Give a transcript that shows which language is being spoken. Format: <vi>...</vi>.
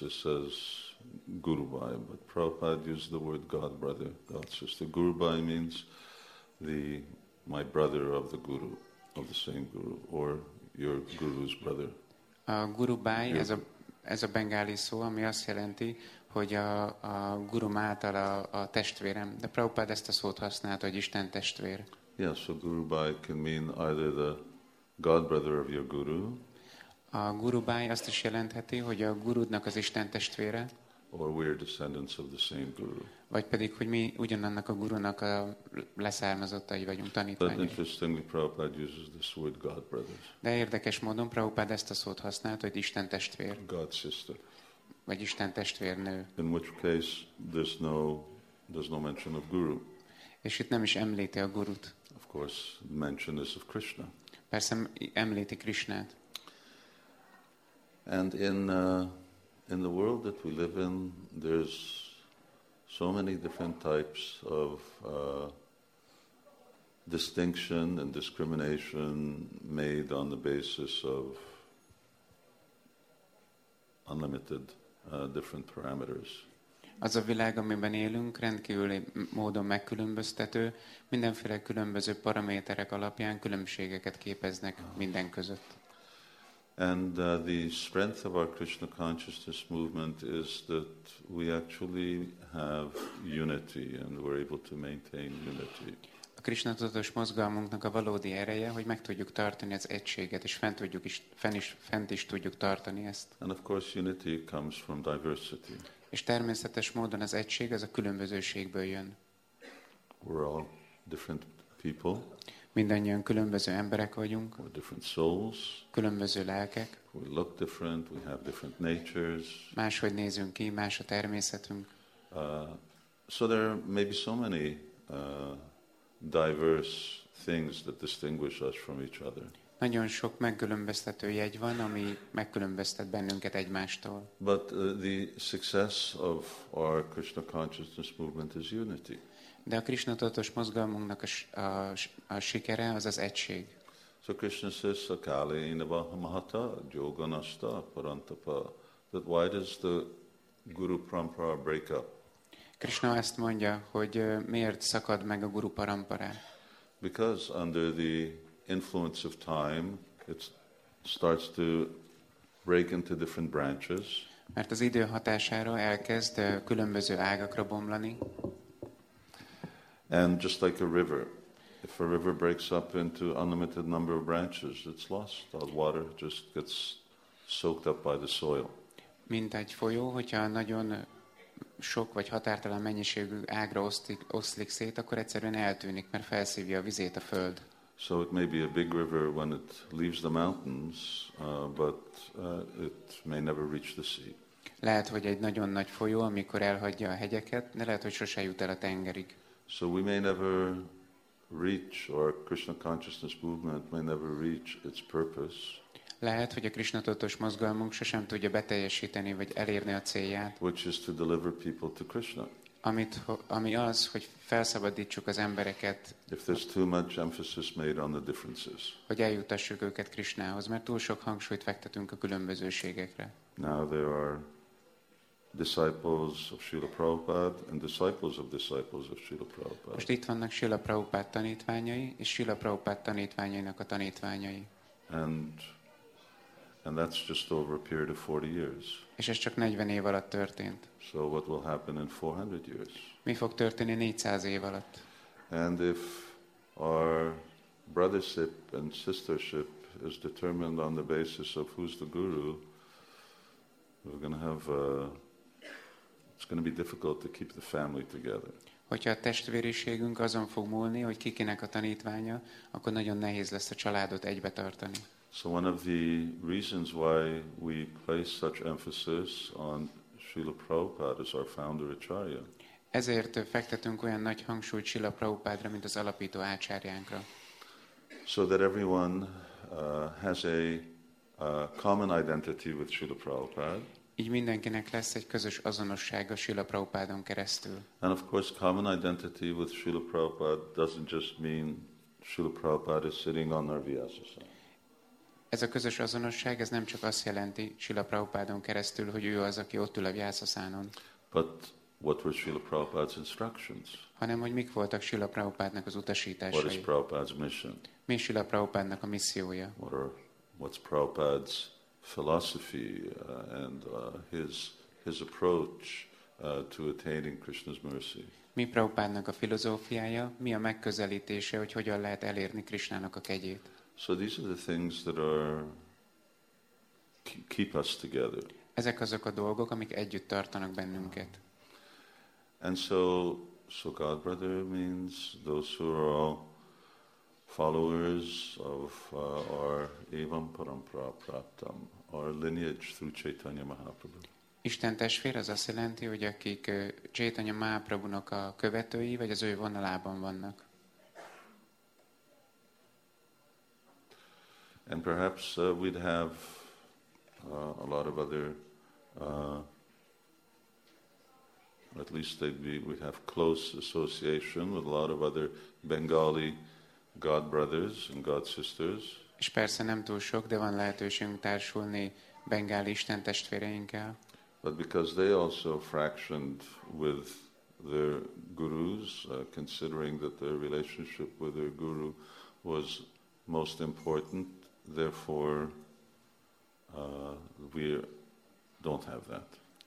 <en>It says Gurubai, but Prabhupada used the word God brother, God sister. Gurubai means my brother of the guru, of the same guru, or your guru's brother.</en> <hu>Gurubai is ez a bengáli szó, ami azt jelenti, hogy a gurum által a testvérem. De Prabhupada ezt a szót használta, hogy Isten testvér.</hu> <en>Yeah, so Gurubai can mean either the God brother of your guru.</en> <hu>A Gurubai azt is jelentheti, hogy a gurudnak az Isten testvére.</hu> <en>Or we're descendants of the same guru.</en> <hu>Vagy pedig, hogy mi ugyanannak a gurunak a leszármazottai vagyunk, tanítványai.</hu> <en>But interestingly, Prabhupada uses this word God brother.</en> <hu>De érdekes módon Prabhupada ezt a szót használta, hogy Isten testvér.</hu> <en>God sister.</en> <hu>Vagy Isten testvérnő.</hu> <en>In which case there's no mention of guru.</en> <hu>És itt nem is említi a gurut.</hu> <en>Of course, mention is of Krishna.</en> <hu>Persze említi Krishnát.</hu> <en>And in the world that we live in, there's so many different types of distinction and discrimination made on the basis of unlimited different parameters.</en> <hu>Az a világ, amiben élünk, rendkívül módon megkülönböztető, mindenféle különböző paraméterek alapján különbségeket képeznek minden között.</hu> <en>And the strength of our Krishna consciousness movement is that we actually have unity and we're able to maintain unity.</en> <hu>A Krishna tudatos mozgalmunknak a valódi ereje, hogy meg tudjuk tartani az egységet, és fent is tudjuk tartani ezt.</hu> <en>And of course unity comes from diversity.</en> <hu>És természetes módon az egység az a különbözőségből jön.</hu> <en>We're all different people.</en> <hu>Mindannyian különböző emberek vagyunk.</hu> <en>We're different souls.</en> <hu>Különböző lelkek.</hu> <en>We look different, we have different natures.</en> <hu>Máshogy nézünk ki, más a természetünk.</hu> <en>So there may be so many diverse things that distinguish us from each other.</en> <hu>Nagyon sok megkülönböztető jegy van, ami megkülönböztet bennünket egymástól.</hu> <en>But the success of our Krishna consciousness movement is unity.</en> <hu>De a Krishna tudatos mozgalmunknak a sikere az az egység.</hu> <en>So Krishna says</en> <sa>sakale inavaha mahata yoganasta parantapa.</sa> <en>That why does the guru parampara break up?</en> <hu>Krishna ezt mondja, hogy miért szakad meg a guru parampara?</hu> <en>Because under the influence of time it starts to break into different branches.</en> <hu>Mert az idő hatására elkezd különböző ágakra bomlani.</hu> <en>And just like a river, if a river breaks up into unlimited number of branches, it's lost. All water just gets soaked up by the soil.</en> <hu>Mint egy folyó, hogyha nagyon sok vagy határtalan mennyiségű ágra oszlik szét, akkor egyszerűen eltűnik, mert felszívja a vizét a föld.</hu> <en>So it may be a big river when it leaves the mountains, but it may never reach the sea.</en> <hu>Lehet, hogy egy nagyon nagy folyó, amikor elhagyja a hegyeket, de lehet, hogy sose jut el a tengerig.</hu> <en>So we may never reach, or Krishna consciousness movement may never reach its purpose.</en> <hu>Lehet, hogy a Krishna tudatos mozgalmunk sosem tudja beteljesíteni, vagy elérni a célját.</hu> <en>Which is to deliver people to Krishna.</en> <hu>Ami az, hogy felszabadítsuk az embereket.</hu> <en>If there's too much emphasis made on the differences.</en> <hu>Hogy eljutassuk őket Krishnához, mert túl sok hangsúlyt fektetünk a különbözőségekre.</hu> <en>Now there are disciples of Srila Prabhupada and disciples of disciples of Srila Prabhupada.</en> <hu>Most itt vannak Srila Prabhupada tanítványai és Srila Prabhupada tanítványainak a tanítványai.</hu> <en>And that's just over a period of 40 years.</en> <hu>És ez csak 40 év alatt történt.</hu> <en>So what will happen in 400 years?</en> <hu>Mi fog történni 400 év alatt?</hu> <en>And if our brothership and sistership is determined on the basis of who's the guru, we're going to have it's going to be difficult to keep the family together.</en> <hu>Hogyha a testvériségünk azon fog múlni, hogy kikinek a tanítványa, akkor nagyon nehéz lesz a családot egybe tartani.</hu> <en>So one of the reasons why we place such emphasis on Srila Prabhupada as our founder acharya.</en> <hu>Ezért fektetünk olyan nagy hangsúlyt Srila Prabhupádra, mint az alapító ácsárjánkra.</hu> <en>So that everyone has a common identity with Srila Prabhupada.</en> <hu>Így mindenkinek lesz egy közös azonosság a Srila Prabhupádon keresztül.</hu> <en>And of course, common identity with Srila Prabhupada doesn't just mean Srila Prabhupada is sitting on our vyasasana.</en> <hu>Ez a közös azonosság, ez nem csak azt jelenti Srila Prabhupádon keresztül, hogy ő az, aki ott ül a vyasaszánon.</hu> <en>But what were Srila Prabhupada's instructions?</en> <hu>Hanem, hogy mik voltak Srila Prabhupádnak az utasításai.</hu> <en>What is Prabhupada's mission?</en> <hu>Mi Srila Prabhupádnak a missziója?</hu> <en>What's Prabhupada's philosophy and his approach to attaining Krishna's mercy?</en> <hu>Mi Prabhupádnak a filozófiája, mi a megközelítése, hogy hogyan lehet elérni Krishnának a kegyét?</hu> <en>So these are the things that are keep us together.</en> <hu>Ezek azok a dolgok, amik együtt tartanak bennünket.</hu> <en>And so God brother means those who are all followers of our</en> <sa>evam parampara praptam,</sa> <en>our lineage through Chaitanya Mahaprabhu.</en> <hu>Isten testvér az azt jelenti, hogy akik Chaitanya Mahaprabhunak a követői, vagy az ő vonalában vannak.</hu> <en>And perhaps we'd have a lot of other, at least we'd have close association with a lot of other Bengali God brothers and God sisters.</en> <hu>És persze nem túl sok, de van lehetőségünk társulni Bengáli Isten testvéreinkkel.</hu> <en>But because they also fractioned with their gurus, considering that their relationship with their guru was most important, therefore we don't have that.</en>